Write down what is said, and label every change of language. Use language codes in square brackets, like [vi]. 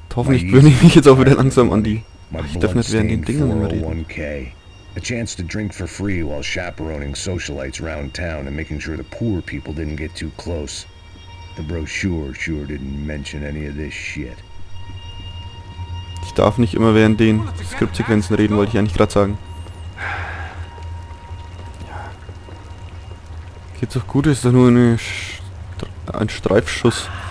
[de] Hoffentlich gewöhne ich mich jetzt auch wieder langsam an die. Ich darf nicht während den Dingen immer reden. [en] A chance to drink for free while chaperoning socialites around town and making sure the poor people didn't get too close. The brochure sure didn't mention any of this shit. [de] Ich darf nicht immer während den Skriptsequenzen reden, wollte ich eigentlich gerade sagen. Geht's doch gut, ist doch nur eine ein Streifschuss.